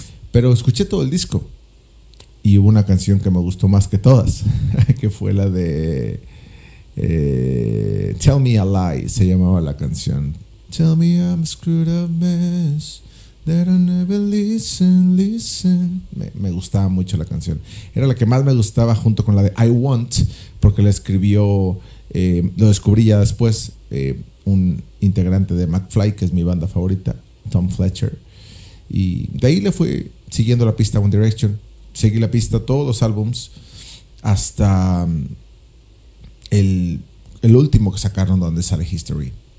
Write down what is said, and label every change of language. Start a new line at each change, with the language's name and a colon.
Spanish: Pero escuché todo el disco y hubo una canción que me gustó más que todas, que fue la de Tell Me a Lie, se llamaba la canción.
English: Tell me I'm a screwed up mess that I never listen.
Spanish: Me gustaba mucho la canción. Era la que más me gustaba junto con la de I Want, porque la escribió, lo descubrí ya después, un integrante de McFly, que es mi banda favorita, Tom Fletcher. Y de ahí le fui siguiendo la pista a One Direction. Seguí la pista a todos los álbums hasta el último que sacaron, donde sale History.